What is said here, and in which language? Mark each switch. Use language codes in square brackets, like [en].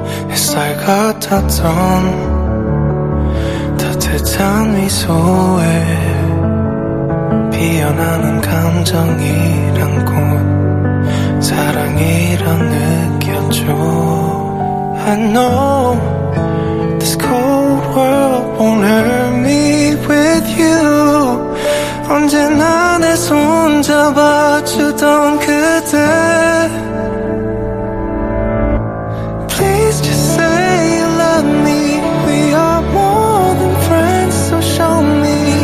[ko] 햇살 같았던 따뜻한 미소에 피어나는 감정이란 곳 사랑이란 느꼈죠. [en] I know this cold world won't hurt me with you. [ko] 언제나 내 손 잡아주던 그대. [en] Please just say you love me. We are more than friends, so show me.